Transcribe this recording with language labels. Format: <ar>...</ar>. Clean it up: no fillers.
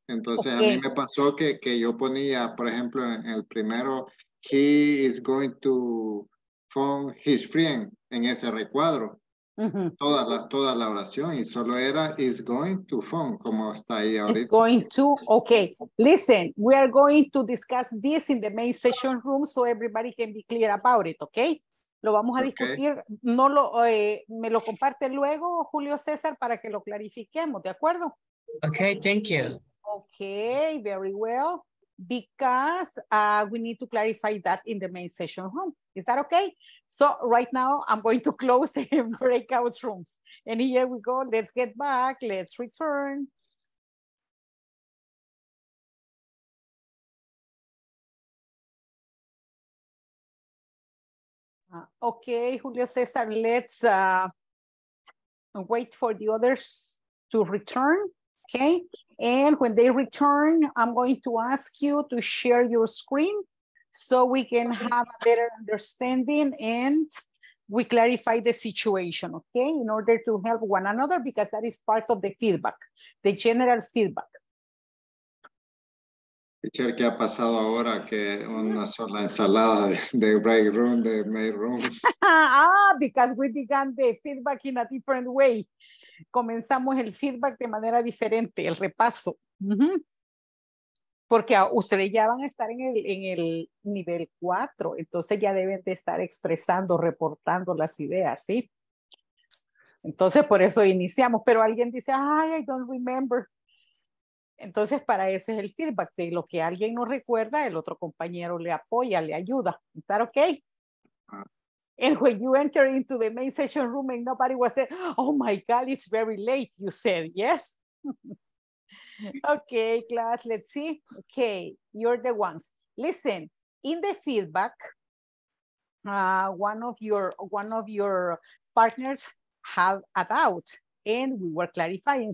<es>Entonces, okay. a mí me pasó que yo ponía, por ejemplo, en el primero,</es> <en>he is going to phone his friend</en> <es>en ese recuadro. Uh-huh. Toda la oración y solo era</es> <en>is going to phone,</en> <es>como está ahí ahorita.</es> <en>Is going to, okay. Listen, we are going to discuss this in the main session room so everybody can be clear about it, okay?</en> <es>Lo vamos a okay. discutir, no lo, me lo comparte luego, Julio César, para que lo clarifiquemos, ¿de acuerdo?</es> <en>Ok, thank you. Ok, very well, because we need to clarify that in the main session room. Is that okay? So right now I'm going to close the breakout rooms. And here we go, let's get back, let's return. Okay, Julio César, let's wait for the others to return, okay? And when they return, I'm going to ask you to share your screen so we can have a better understanding and we clarify the situation, okay? In order to help one another, because that is part of the feedback, the general feedback.</en> <es>Teacher, ¿qué ha pasado ahora que una sola ensalada de break room, de main room?</es> <en>Ah, because we began the feedback in a different way.</en> <es>Comenzamos el feedback de manera diferente, el repaso. Mm-hmm. Porque ustedes ya van a estar en el nivel 4, entonces ya deben de estar expresando, reportando las ideas, ¿sí? Entonces, por eso iniciamos. Pero alguien dice, ay,</es> <en>I don't remember.</en> <es>Entonces, para eso es el feedback de lo que alguien no recuerda, el otro compañero le apoya, le ayuda.</es> <en>¿Está that okay? And when you enter into the main session room and nobody was there, oh my God, it's very late, you said, yes? Okay, class, let's see. Okay, you're the ones. Listen, in the feedback, one of your partners had a doubt and we were clarifying.</en>